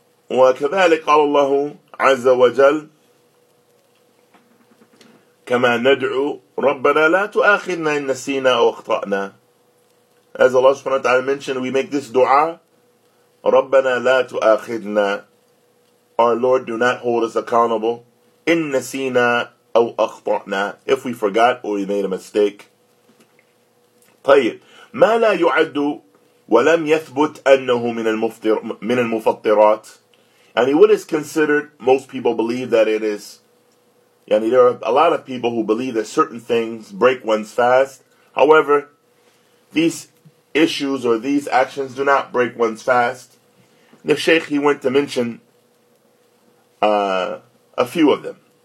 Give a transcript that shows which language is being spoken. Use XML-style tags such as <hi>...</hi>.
<ar>وكذلك قال الله عز وجل كما ندعو ربنا لا تؤاخذنا إن نسينا أو أخطأنا.</ar> <en>As Allah subhanahu wa ta'ala mentioned, we make this dua,</en> <ar>ربنا لا تؤاخذنا.</ar> <en>Our Lord, do not hold us accountable.</en> <ar>إن نسينا أو أخطأنا.</ar> <en>If we forgot or we made a mistake.</en> <ar>طيب. ما لا يعد ولم يثبت أنه من المفطرات.</ar> <en>And what is considered, most people believe that it is. Yani there are a lot of people who believe that certain things break one's fast. However, these issues or these actions do not break one's fast. The Sheikh, he went to mention a few of them.</en>